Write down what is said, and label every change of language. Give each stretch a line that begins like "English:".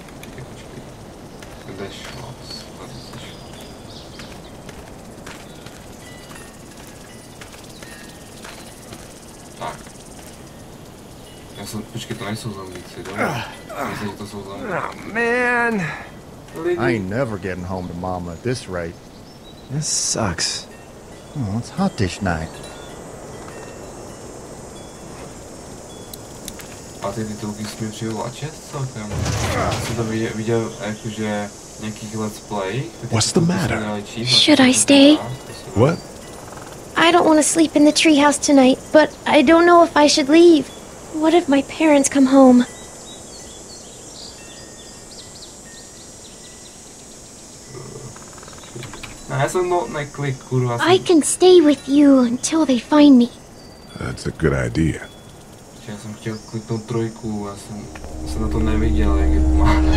Czech: Počkej. Kde šlo? Kde se šlo? Tak. Počkej, to nejsou zombíci, dobře? Myslím, že to jsou zombíci.
English: Oh, man! I ain't never getting home to mama at this rate. This sucks. Oh, it's hot dish night.
Czech: A ty titulky jsi mi přivlačet celkem. Jsem to viděl jakože nějakých let's play.
English: What's the matter? Should I stay? What? I don't want to sleep in the treehouse tonight, but I don't know if I should leave. What if my parents come home? I can stay with you until they find me. That's a good idea.
Czech: Já jsem chtěl kliknout trojku, já jsem na to neviděl, jak je to má.